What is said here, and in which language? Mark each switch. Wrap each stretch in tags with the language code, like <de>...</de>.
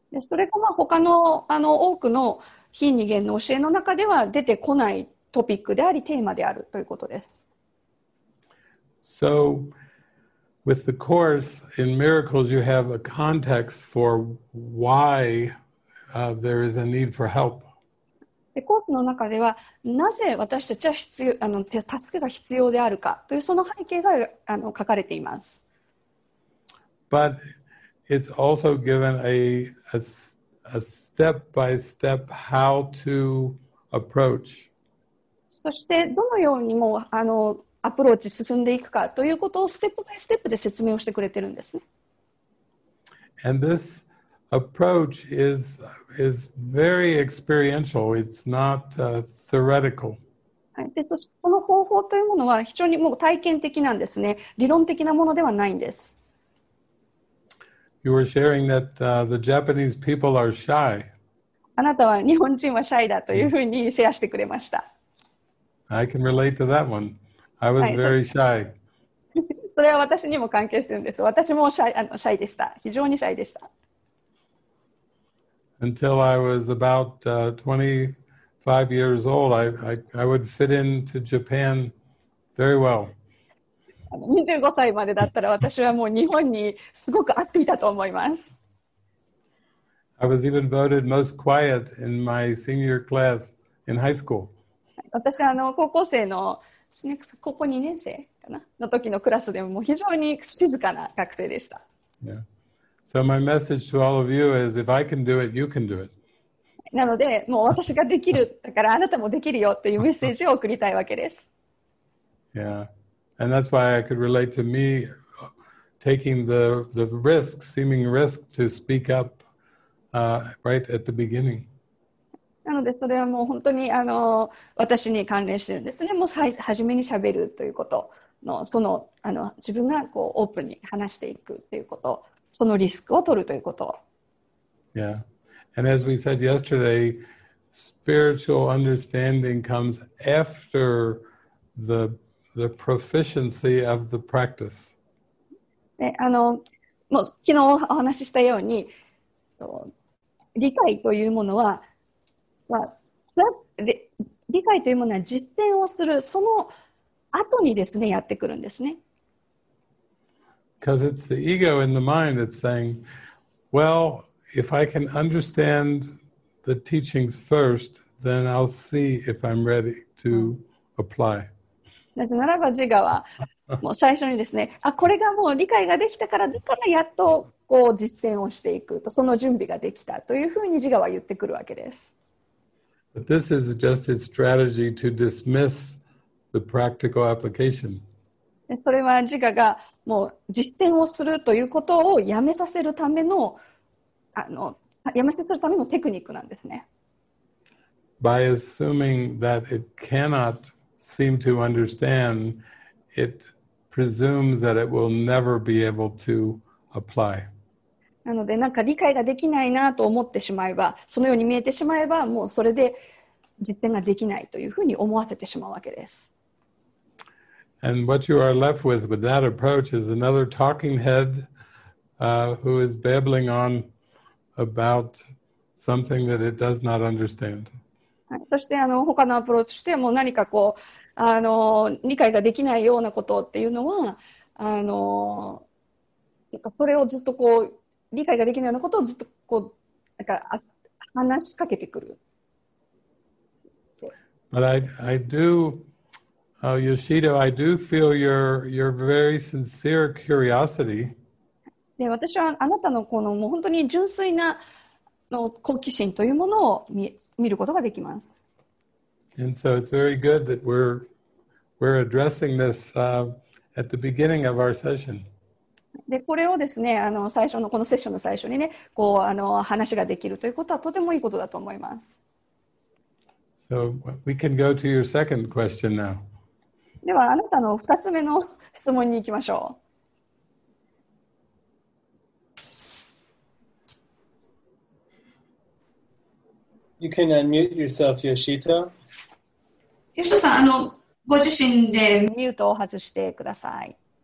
<ja>それが他の、多くの非二元の教えの中では出てこないトピックであり、テーマであるということです。</ja> <en>So, with the course in miracles, you have a context for why there is a need for help.</en> <ja>でコースの中ではなぜ私たちは必要助けが必要であるかというその背景が書かれています。</ja> <en>But it's also given a step by step how to approach.</en> <ja>そしてどのようにもアプローチ進んでいくかということをステップバイステップで説明をしてくれてるんですね。</ja> <en>And this approach is very experiential. It's not theoretical.</en> <ja>でそしてこの方法というものは非常にもう体験的なんですね。理論的なものではないんです。</ja> <en>You were sharing that, the Japanese people are shy.</en> <ja>あなたは日本人はシャイだというふうにシェアしてくれました。</ja> <en>I can relate to that one. I was very shy.</en> <ja>それは私にも関係してるんです。私もシャイでした。非常にシャイでした。</ja> <en>Until I was about 25 years old, I would fit into Japan very well.</en> <ja>25歳までだったら私はもう日本にすごく合っていたと思います。</ja> <en>I was even voted most quiet in my senior class in high school.</en> <ja>私は高校生の、高校2年生かなの時のクラスでも非常に静かな学生でした。</ja> <en>So my message to all of you is, if I can do it, you can do it.</en> <ja>なので、もう私ができる、だからあなたもできるよというメッセージを送りたいわけです。</ja> <en>Yeah, and that's why I could relate to me taking the risk, seeming risk to speak up, right at the beginning.</en> <ja>なので、それはもう本当に私に関連してるんですね。もう初めに喋るということの、その、自分がこうオープンに話していくということ、そのリスクを取るということ。</ja> <en>Yeah. And as we said yesterday, spiritual understanding comes after the proficiency of the practice.</en> <ja>もう昨日お話ししたように、理解というものは、理解というものは実践をするその後にですね、やってくるんですね。</ja> <en>Because it's the ego in the mind that's saying, well,If I can understand the teachings first, then I'll see if I'm ready to apply.</en> <ja>なぜならば自我はもう最初にですね、あ、これがもう理解ができたからだからやっとこう実践をしていくと、その準備ができたというふうに自我は言ってくるわけです。</ja> <en>But this is just a strategy to dismiss the practical application.</en> <ja>それは自我がもう実践をするということをやめさせるためのやめさせるためのテクニックなんですね。</ja> <en>By assuming that it cannot seem to understand, it presumes that it will never be able to apply.</en> <ja>なので、なんか理解ができないなと思ってしまえば、そのように見えてしまえば、もうそれで実践ができないというふうに思わせてしまうわけです。</ja> <en>And what you are left with that approach is another talking head, who is babbling on. About something that it does not understand.</en> <ja>そして他のアプローチしても何かこう理解ができないようなことっていうのはなんかそれをずっとこう理解ができないようなことをずっとこうなんか話しかけてくる。</ja> <en>But I do, Yoshida, I do feel your very sincere curiosity.</en> <ja>で私はあなたのこのもう本当に純粋なの好奇心というものを 見ることができます。</ja> <en>And so it's very good that we're addressing this, at the beginning of our session.</en> <ja>でこれをですね最初のこのセッションの最初にねこう話ができるということはとてもいいことだと思います。</ja> <en>So we can go to your second question now.</en> <ja>ではあなたの2つ目の質問に行きましょう。</ja> <en>You can unmute yourself, Yoshito.</en> <ja>Yoshito-san, ご自身でミュートを外してください。</ja>